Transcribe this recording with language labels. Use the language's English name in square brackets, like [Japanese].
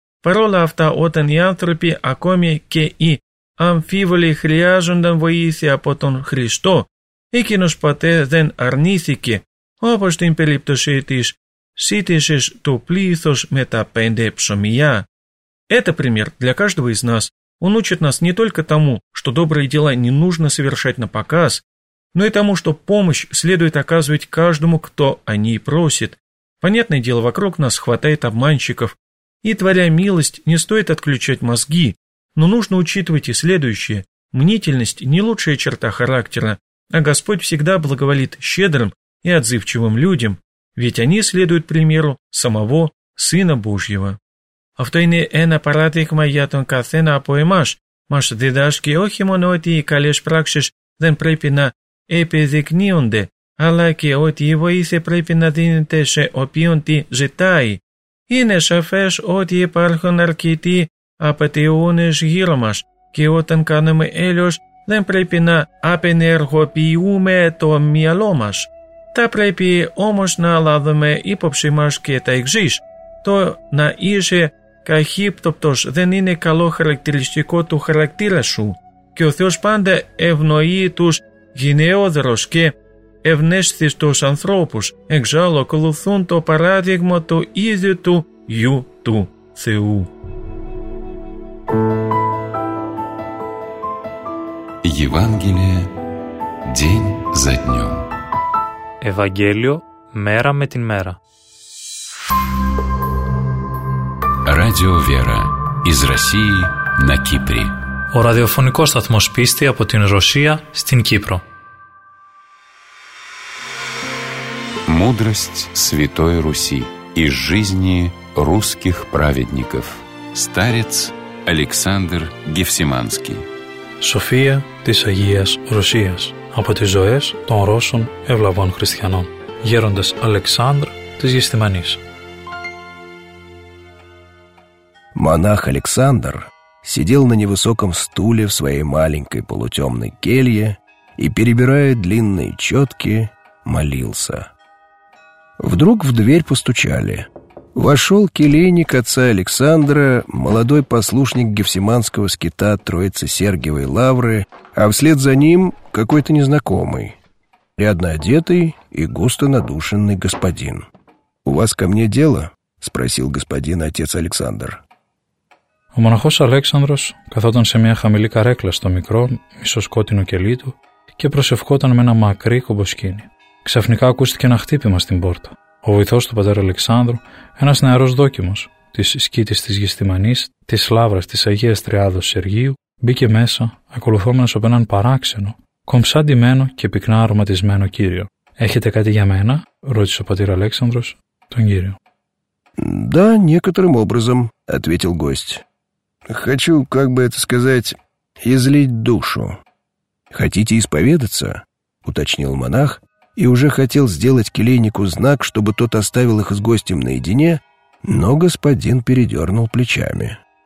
[Greek] Παρόλα αυτά, όταν οι άνθρωποι, ακόμη και οι αμφίβολοι, χρειάζονταν βοήθεια από τον Χριστό, εκείνος ποτέ δεν αρνήθηκε, όπως την περίπτωση της σύντησης του πλήθους με τα πέντε ψωμιά. [Russian] Это пример для каждого из нас. Он учит нас не только тому, что добрые дела не нужно совершать на показ, но и тому, что помощь следует оказывать каждому, кто о ней просит. Понятное дело, вокруг нас хватает обманщиков, и, творя милость, не стоит отключать мозги, но нужно учитывать и следующее. Мнительность – не лучшая черта характера, а Господь всегда благоволит щедрым и отзывчивым людям, ведь они следуют примеру самого Сына Божьего. [Greek] Αυτό είναι ένα παράδειγμα για τον καθένα από εμάς. Μας διδάσκει όχι μόνο ότι οι καλές πράξεις δεν πρέπει να επιδεικνύονται, αλλά και ότι η βοήθεια πρέπει να δίνεται σε όποιον τη ζητάει. Είναι σαφές ότι υπάρχουν αρκετοί απαταιώνες γύρω μας και όταν κάνουμε έλεος δεν πρέπει να απενεργοποιούμε το μυαλό μας. Θα πρέπει όμως να λάβουμε υπόψη μας και τα εξής. Το να είσαι καχύπτωπτος δεν είναι καλό χαρακτηριστικό του χαρακτήρα σου και ο Θεός πάντα ευνοεί τους γενναιόδωρους και ευναίσθητους ανθρώπους. Εξάλλου ακολουθούν το παράδειγμα του ίδιου του Υιού του Θεού. [Russian] Евангелие день за днем. [Greek] Ευαγγέλιο μέρα με την μέρα. [Russian] Радио Вера из России на Кипре. [Greek] О радиофонико сатмос писти από την Ρωσία στην Кύπρο. [Russian] Мудрость Святой Руси из жизни русских праведников. Старец Александр Гефсиманский. [Greek] София της Αγίας Ρωσίας από τις ζωές των Ρώσων ευλαβών χριστιανών. Γέροντας Αλεξάνδρ της Γεσθημανής. [Russian] Монах Александр сидел на невысоком стуле в своей маленькой полутемной келье и, перебирая длинные четки, молился. Вдруг в дверь постучали. Вошел келейник отца Александра, молодой послушник Гефсиманского скита Троицы Сергиевой Лавры, а вслед за ним какой-то незнакомый, рядно одетый и густо надушенный господин. «У вас ко мне дело?» – спросил господин отец Александр. [Greek] Ο μοναχός Αλέξανδρος καθόταν σε μια χαμηλή καρέκλα στο μικρό, μισοσκότεινο κελί του και προσευχόταν με ένα μακρύ κομποσκήνι. Ξαφνικά ακούστηκε ένα χτύπημα στην πόρτα. Ο βοηθός του πατέρα Αλεξάνδρου, ένας νεαρός δόκιμος της σκήτης της Γεσθημανής, της Λαύρας της Αγίας Τριάδος Σεργίου, μπήκε μέσα, ακολουθόμενος από έναν παράξενο, κομψά ντυμένο και πυκνά αρωματισμένο κύριο. «Έχετε κάτι για μένα?» ρώτησε ο πατήρ Αλέξανδρος τον κύριο. [Russian] «Да, некоторым образом», — ответил гость. «Хочу, как бы это сказать, излить душу». «Хотите исповедаться?» — уточнил монах и уже хотел сделать келейнику знак, чтобы тот оставил их с гостем наедине, но господин передернул плечами.